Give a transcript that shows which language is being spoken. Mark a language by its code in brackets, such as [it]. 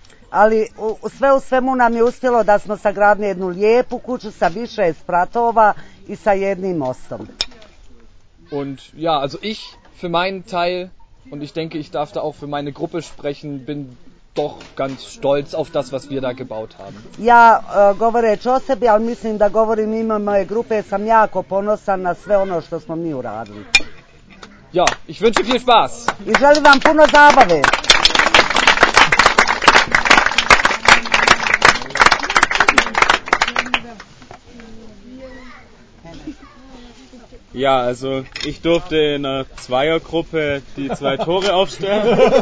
[bs] Ali sve u svemu nam je uspjelo da smo sagradili jednu lijepu kuću sa više spratova i sa jednim mostom. [de] Und ja, also ich für meinen Teil, und ich denke, ich darf da auch für meine Gruppe sprechen, bin doch ganz stolz auf das, was wir da gebaut haben. [bs] Ja, govoreći o sebi, ali mislim da govorim ime moje grupe, sam jako ponosan na sve ono što smo mi uradili. [de] Ja, ich wünsche viel Spaß. [bs] I želim vam puno zabave. [de] Ja, also ich durfte in einer Zweiergruppe die zwei Tore aufstellen.